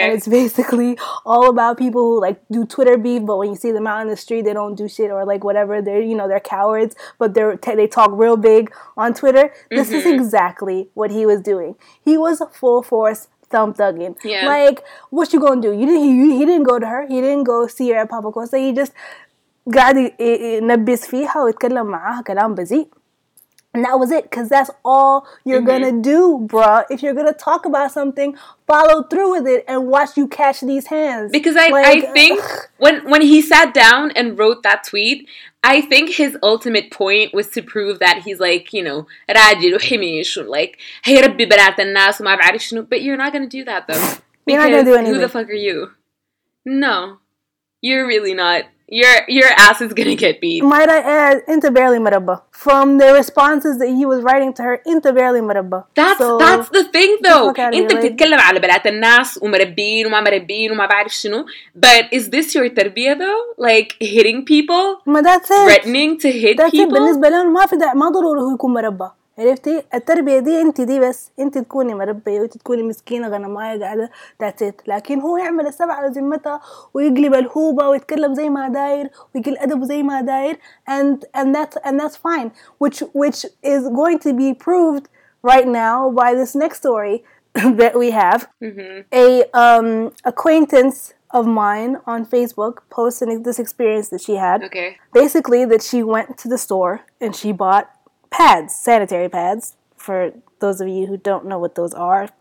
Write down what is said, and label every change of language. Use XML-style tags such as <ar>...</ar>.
<en>And it's basically all about people who, like, do Twitter beef, but when you see them out in the street, they don't do shit or, like, whatever. They're, you know, they're cowards, but they talk real big on Twitter. Mm-hmm. This is exactly what he was doing. He was full force Thumb Thuggin'. Yeah. Like, what you gonna do? He didn't go to her. He didn't go see her at Papa Costa. He just</en> <ar>قاعد ينبس فيها ويتكلم معاها كلام بذيء.</ar> <en>And that was it, because that's all you're mm-hmm. gonna do, bruh. If you're gonna talk about something, follow through with it and watch you catch these hands. Because I think when he sat down and wrote that tweet, I think his ultimate point was to prove that he's like, you know,</en> <ar>راجل وحميش,</ar> <en>like,</en> <ar>هي ربي بنات الناس وما بعرف شنو.</ar> <en>But you're not gonna do that, though. You're not gonna do anything. Who the fuck are you? No. You're really not. Your ass is gonna get beat. Might I add, inta barely maraba. From the responses that he was writing to her, inta barely maraba. That's the thing, though.</en> <ar>Inta بتتكلم على بنات الناس ومربين وما مربين وما بعرف شنو.</ar> <en>But is this your تربية, though? Like, hitting people? ما that's it. Threatening to hit that's people? That's it.</en> <ar>بالنسبة لهم ما ضروري هو يكون مربى. عرفتي؟ التربية دي انت دي بس. انت تكوني مربية وتكوني مسكينة غنماية قاعدة.</ar> <en>That's it.</en> <ar>لكن هو يعمل السبع على ذمتها ويقلب الهوبة ويتكلم زي ما داير ويقل أدبه زي ما داير.</ar> <en>And that's fine. Which is going to be proved right now by this next story that we have. Mm-hmm. A acquaintance of mine on Facebook posted this experience that she had. Okay. Basically that she went to the store and she bought pads, sanitary pads, for those of you who don't know what those are.</en>